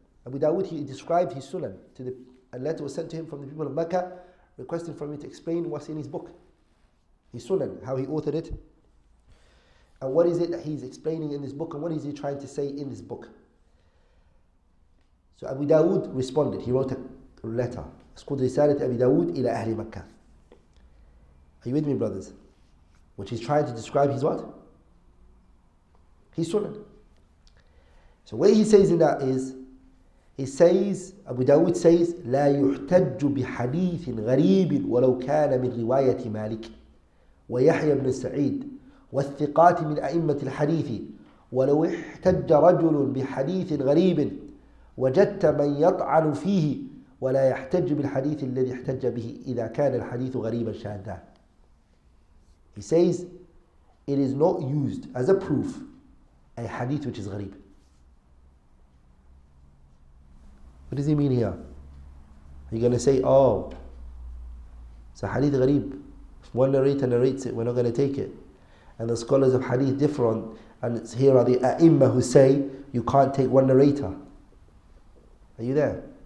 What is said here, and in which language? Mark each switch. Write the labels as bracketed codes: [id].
[en] Abu Dawood, he described his Sunan. A letter was sent to him from the people of Mecca, requesting from him to explain what's in his book, his Sunan, how he authored it, and what is it that he's explaining in this book, and what is he trying to say in this book. So Abu Dawood responded. He wrote a letter. It's called Risalat Abu Dawood ila Ahli Mecca. Are you with me, brothers? Which he's trying to describe his what? His Sunan. So what he says in that is, he says, Abu Dawood says, [ar] لا يحتج بحديث غريب ولو كان من رواية مالك ويحيى بن سعيد والثقات من أئمة الحديث ولو احتج رجل بحديث غريب وجدت من يطعن فيه ولا يحتج بالحديث الذي احتج به إذا كان الحديث غريبا شاذا. [en] He says, it is not used as a proof, a hadith which is غريب. What does he mean here? You're going to say, oh, it's a hadith gharib. If one narrator narrates it, we're not going to take it. And the scholars of hadith differ on, and it's here are the a'imma who say, you can't take one narrator. Are you there?